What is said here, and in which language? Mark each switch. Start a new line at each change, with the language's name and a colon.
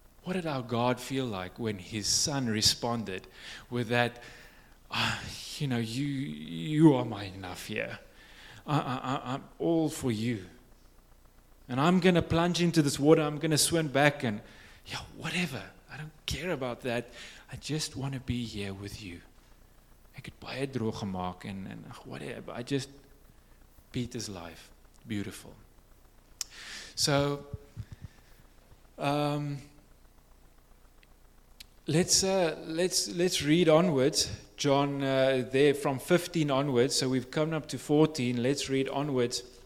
English: What did our God feel like when his son responded with that, you are my enough here. I'm all for you. And I'm going to plunge into this water. I'm going to swim back and, whatever. I don't care about that. I just want to be here with you.
Afrikaans: Ek het baie droog gemaak
English: and whatever. I just, Peter's life, beautiful. So, let's read onwards, John, there from 15 onwards. So we've come up to 14. Let's read onwards.